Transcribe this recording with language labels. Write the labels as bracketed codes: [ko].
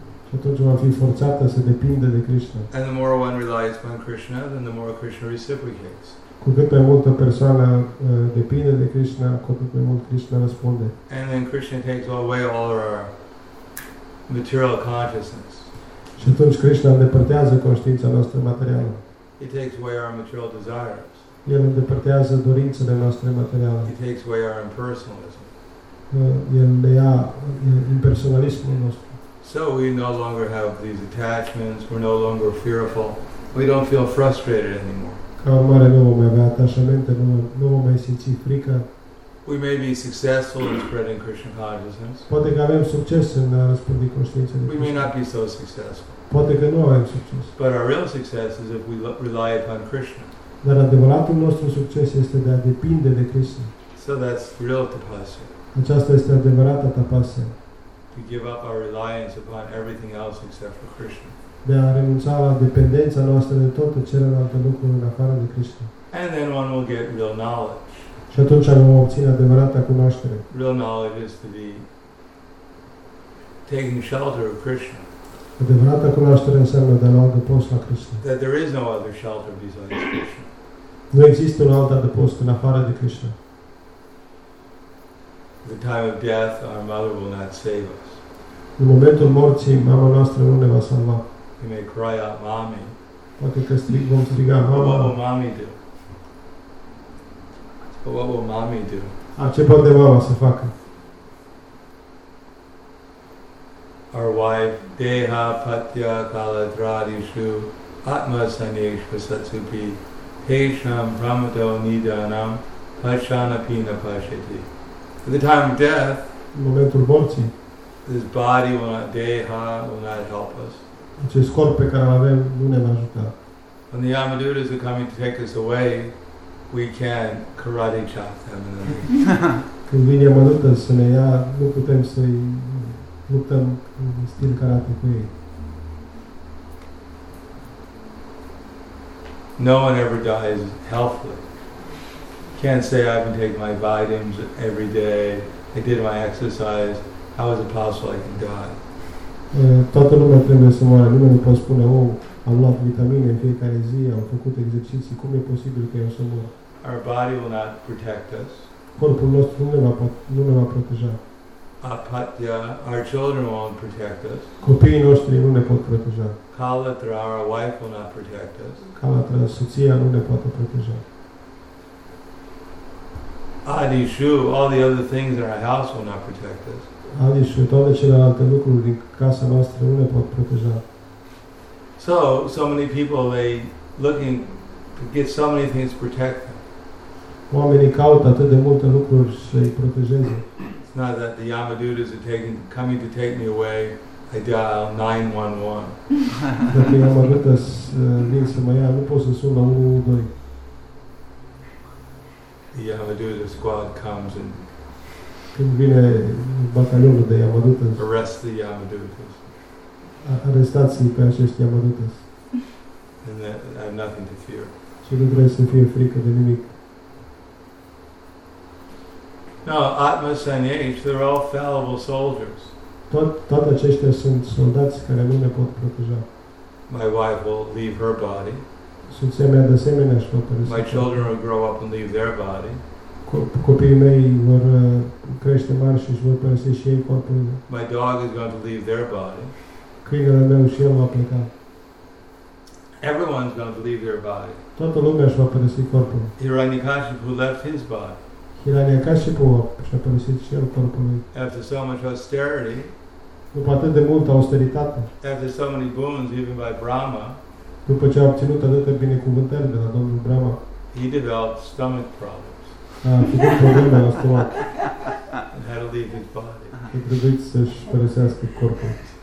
[en] And the more one relies upon Krishna, then the more Krishna reciprocates. And then Krishna takes away all our material consciousness. [ro] Și atunci Krishna îndepărtează conștiința noastră materială. [en] He takes away our material desires. [ro] El îndepărtează dorințele noastre materiale. [en] He takes away our impersonalism. [ro] El ne ia impersonalismul nostru. [en] So we no longer have these attachments, we're no longer fearful. We don't feel frustrated anymore. [ro] Ca urmare, nu vom mai avea atașamente, nu vom mai simți frică. [en] We may be successful in spreading Krishna consciousness. [ro] Poate că avem succes în a răspândi conștiința. [en] We may not be so successful. [ro] Poate că nu avem succes. [en] But our real success is if we rely upon Krishna. [ro] Dar adevăratul nostru succes este de a depinde de Krishna. [en] So that's real tapasya. [ro] Aceasta este adevărata tapasya. [en] To give up our reliance upon everything else except for Krishna. [ro] De a renunța la dependența noastră de tot celelalte lucruri în afară de Krishna. [en] And then one will get real knowledge. [ro] Și atunci am obține adevărata cunoaștere. [en] Real knowledge is to be taking shelter of Krishna. [ro] Adevărata cunoaștere înseamnă de la adăpost la Krishna. [en] That there is no other shelter besides Krishna. [ro] Nu există un alt adăpost în afară de Krishna. [en] The time of death, our mother will not save us. [ro] În momentul morții, mama noastră nu ne va salva. [en] We may cry out, mommy. [ro] Poate că vom striga, mama. [en] What will mommy do? But what will mommy do? [ro] A, ce poate mama să facă? [en] Our wife, [sa] deha patya kaladradishu atma sanyeshva satsupi hesham pramato nidanam pashana pina pashati. [en] At the time of death, [ro] momentul morții, [en] this body will not, deha will not help us. [ro] Acest corp pe care l-avem nu ne va ajuta. [en] When the Yamadutas are coming to take us away, we can karate chop them. [ro] Când vine Yamaduta să ne ia, nu putem să-i luptăm în stil karate cu ei. [en] No one ever dies healthily. Can't say I've been taking my vitamins every day, I did my exercise, how is it possible I can die? [ro] Toată lumea trebuie să moară. Lumea nu poate spune, oh, am luat vitamine în fiecare zi, am făcut exerciții, cum e posibil că eu să mor? [en] Our body will not protect us. [ro] Corpul nostru nu ne va proteja. [en] Apatya, our children won't protect us. [ro] Copiii noștri nu ne pot proteja. [en] Kalatra, our wife will not protect us. [ro] Kalatra, soția nu ne poate proteja. [en] Adishu, all the other things in our house will not protect us. [ro] Adishu, toate celelalte lucruri din casa noastră nu ne pot proteja. [en] So many people, they looking to get so many things to protect them. [ro] Oamenii caută atât de multe lucruri să-i protejeze. [en] It's not that the Yamadutas are coming to take me away, I dial 911. [ro] Dacă Yamadutas vin să mă ia, nu pot să sun la 112. [en] The Yamaduta squad comes and [ro] când vine batalionul de Yamadutas, [en] arrest the Yamadutas. [ro] Arestați-i pe acești Yamadutas. [en] And I have nothing to fear. [ro] Și nu trebuie să fie frică de nimic. [en] No, Atma Sanyesh, they're all fallible soldiers. [ro] Toate aceștia sunt soldați care nu ne pot proteja. [en] My wife will leave her body. [ro] Soția mea de asemenea își va părăsi. [en] My children will grow up and leave their body. [ro] Copiii mei vor crește mari și își vor părăsi și ei corpul. [en] My dog is going to leave their body. [ro] Câinele meu și el va pleca. [en] Everyone's going to leave their body. [ro] Toată lumea își va părăsi corpul. [en] Hiranyakashipu left his body. [ro] Hiranyakashipu și-a părăsit și el corpul lui. [en] After so much austerity, [ro] după atât de multă austeritate, [en] after so many boons even by Brahma, [ro] după ce a obținut atâtea binecuvântări de la Domnul Brahma, [en] he developed stomach problems. [ro] A făcut probleme la stomac. [en] And had to leave his body. [ro] A trebuit să-și părăsească corpul.